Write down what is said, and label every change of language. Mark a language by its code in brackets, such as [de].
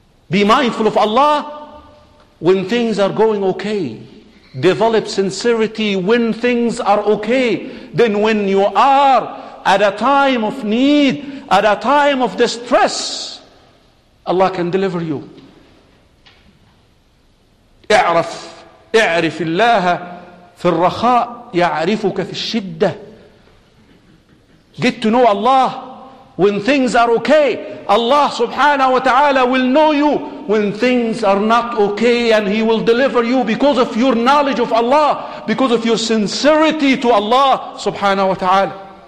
[en] Be mindful of Allah when things are going okay. Develop sincerity when things are okay. Then when you are at a time of need, at a time of distress, Allah can deliver you. [ar] اعرف اعرف الله في الرخاء يعرفك في الشدة. [en] Get to know Allah when things are okay. Allah subhanahu wa ta'ala will know you when things are not okay, and he will deliver you because of your knowledge of Allah, because of your sincerity to Allah subhanahu wa ta'ala.